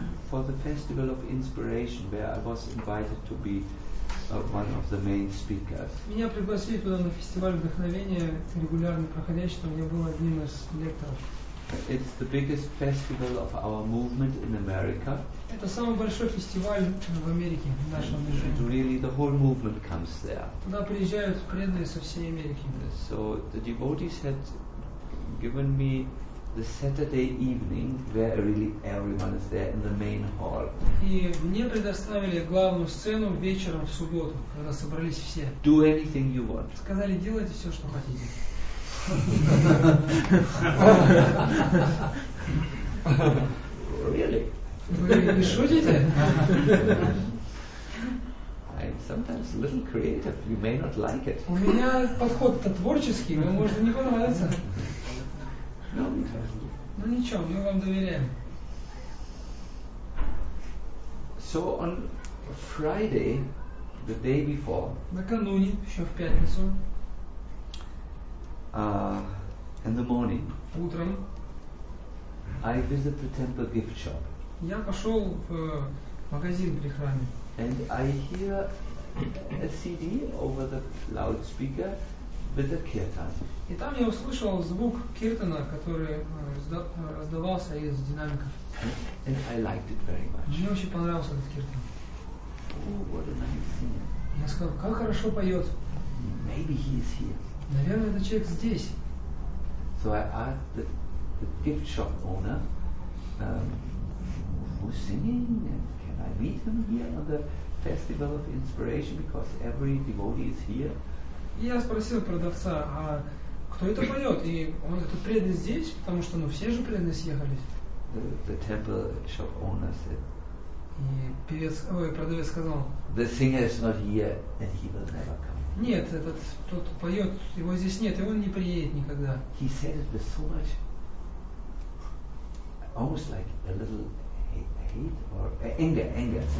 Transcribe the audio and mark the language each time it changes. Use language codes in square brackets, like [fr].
[en] For the Festival of Inspiration, where I was invited to be one of the main speakers. [ru] Меня пригласили туда на фестиваль вдохновения, регулярно проходящий, там я был одним из лекторов. [en] It's the biggest festival of our movement in America. [ru] Это самый большой фестиваль в Америке, в нашем движении. [en] Really, the whole movement comes there. [ru] Туда приезжают преданные со всей Америки. [en] So the devotees had given me the Saturday evening where really everyone is there in the main hall. [ru] И мне предоставили главную сцену вечером в субботу, когда собрались все. [en] Do anything you want. [ru] Сказали, делайте все, что хотите. [en] Really? [ru] Вы шутите? [en] I'm sometimes a little creative. You may not like it. [ru] У меня подход творческий, но может не понравится. [en] No, [ru] ничего, мы вам доверяем. [en] So on Friday, the day before. [ru] Накануне, еще в пятницу. [en] In the morning. [ru] Утром. [en] I visit the temple gift shop. [ru] Я пошел в магазин при храме. [en] And I hear a CD over the loudspeaker with a kirtan. [ru] И там я услышал звук киртана, который раздавался из динамиков. [en] And I liked it very much. [ru] Мне очень понравился этот киртан. [en] Oh, what a nice singer. [ru] Я сказал, как хорошо поет. [en] Maybe he is here. [ru] Наверное, этот человек здесь. [en] So I asked the gift shop owner, who's singing, and can I meet him here on the Festival of Inspiration, because every devotee is here. [ru] И я спросил продавца, а кто это поет? И он, этот преданный здесь, потому что, ну, все же преданные съехались. [en] The temple shop owner said, [ru] продавец сказал, [en] the singer is not here, and he will never come. [ru] Нет, этот, тот поет, его здесь нет, и он не приедет никогда. [en] He said it with so much, almost like a little hate or anger.